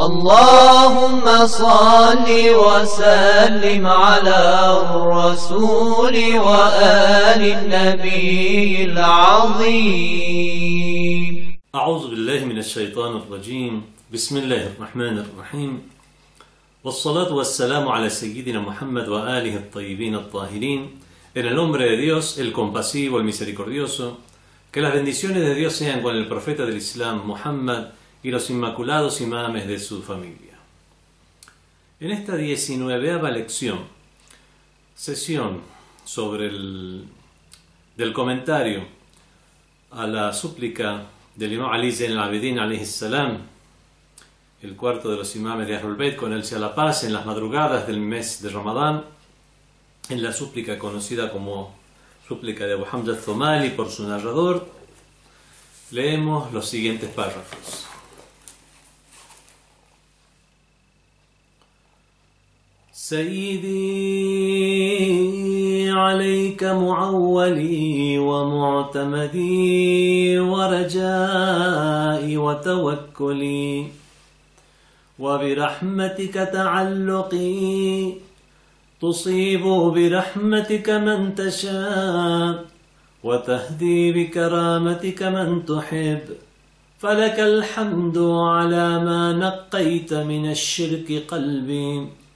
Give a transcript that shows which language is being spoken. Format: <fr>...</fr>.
<ar>اللهم صل وسلم على الرسول وآل النبي العظيم. أعوذ بالله من الشيطان الرجيم. بسم الله الرحمن الرحيم، والصلاة والسلام على سيدنا محمد وآله الطيبين الطاهرين.</ar> <es>En el nombre de Dios, el compasivo, el misericordioso. Que las bendiciones de Dios sean con el profeta del Islam, Muhammad, y los inmaculados imames de su familia. En esta 19ª lección, sesión sobre del comentario a la súplica del imam Ali Zain al-Abidin alayhi salam, el cuarto de los imames de Ahlul Bayt, con él sea la paz, en las madrugadas del mes de Ramadán, en la súplica conocida como súplica de Abu Hamza al-Thumali por su narrador, leemos los siguientes párrafos.</es> <ar>Sayyidi alayka mu'awwali wa mu'tamadi wa raja'i wa tawakkuli wa birahmatika ta'alluqi تصيب برحمتك من تشاء وتهدي بكرامتك من تحب فلك الحمد على ما نقيت من الشرك قلبي</ar>